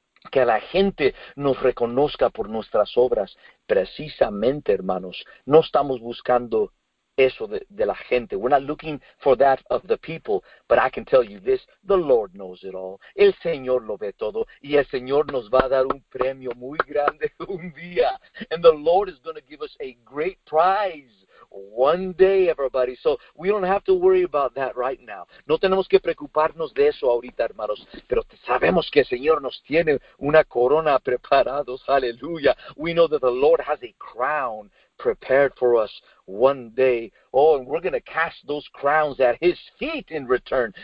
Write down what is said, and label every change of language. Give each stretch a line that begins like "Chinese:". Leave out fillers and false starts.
Spanish: Que la gente nos reconozca por nuestras obras. Precisamente, hermanos, no estamos buscando eso de la gente.
English: We're not looking for that of the people. But I can tell you this, the Lord knows it all.
Spanish: El Señor lo ve todo. Y el Señor nos va a dar un premio muy grande un día.
English: And the Lord is going to give us a great prize. One day, everybody. So we don't have to worry about that right now.
Spanish: No tenemos que preocuparnos de eso ahorita, hermanos. Pero sabemos que el Señor nos tiene una corona preparados.
English: Hallelujah. We know that the Lord has a crown prepared for us one day. Oh, and we're going to cast those crowns at His feet in return.